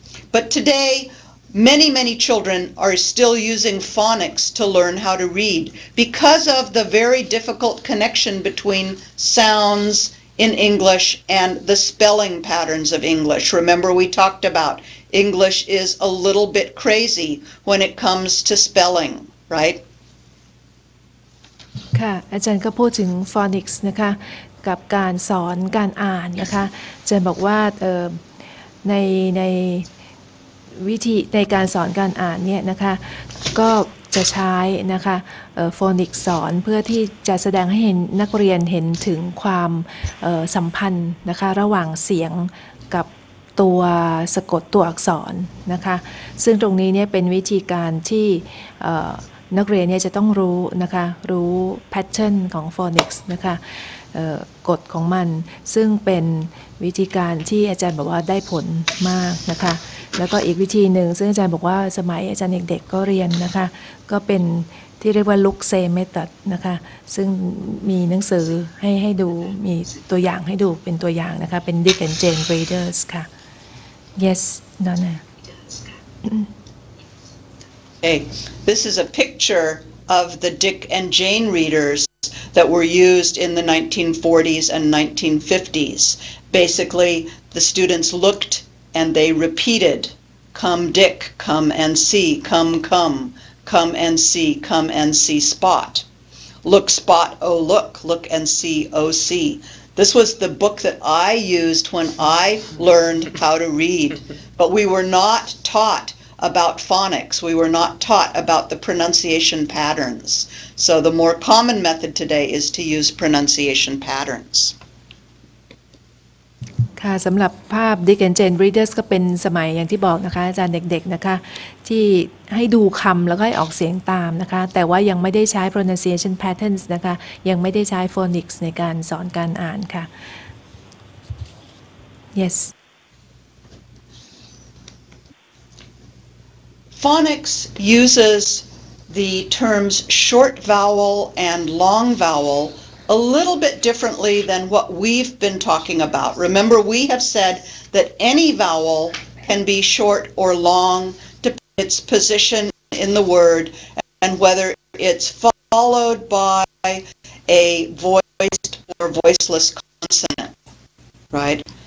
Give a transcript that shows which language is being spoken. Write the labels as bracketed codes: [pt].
[en] But today, many, many children are still using phonics to learn how to read because of the very difficult connection between soundsIn English and the spelling patterns of English. Remember, we talked about English is a little bit crazy when it comes to spelling, right? [th] ค่ะอาจารย์ก็พูดถึง phonics นะคะกับการสอนการอ่านนะคะอาจารย์บอกว่าในวิธีในการสอนการอ่านเนี่ยนะคะก็จะใช้นะคะฟอนิกสอนเพื่อที่จะแสดงให้เห็นนักเรียนเห็นถึงความสัมพันธ์นะคะระหว่างเสียงกับตัวสะกดตัวอักษรนะคะซึ่งตรงนี้เนี่ยเป็นวิธีการที่ นักเรียนเนี่ยจะต้องรู้นะคะรู้แพทเทิร์นของฟอนิกนะคะกฎของมันซึ่งเป็นวิธีการที่อาจารย์บอกว่าได้ผลมากนะคะแล้วก็อีกวิธีหนึ่งซึ่งอาจารย์บอกว่าสมัยอาจารย์เด็กๆก็เรียนนะคะก็เป็นที่เรียกว่า [en] look say method [th] นะคะซึ่งมีหนังสือให้ดูมีตัวอย่างให้ดูเป็นตัวอย่างนะคะเป็น Dick and Jane Readers ค่ะ [en] Yes Donna Hey this is a picture of the Dick and Jane readersThat were used in the 1940s and 1950s. Basically, the students looked and they repeated, come Dick, come and see, come, come, come and see, come and see spot. Look spot, oh look, look and see, oh see. This was the book that I used when I learned how to read. But we were not taught about phonics. We were not taught about the pronunciation patterns. So the more common method today is to use pronunciation patterns. [th] ค่ะสำหรับภาพ Dick and Jane Readers ก็เป็นสมัยอย่างที่บอกนะคะอาจารย์เด็กๆนะคะที่ให้ดูคำแล้วก็ให้ออกเสียงตามนะคะแต่ว่ายังไม่ได้ใช้ [en] pronunciation patterns [th] นะคะยังไม่ได้ใช้ phonics ในการสอนการอ่านค่ะ [en] Yes. Phonics usesThe terms short vowel and long vowel a little bit differently than what we've been talking about. Remember, we have said that any vowel can be short or long, depending on its position in the word and whether it's followed by a voiced or voiceless consonant, right?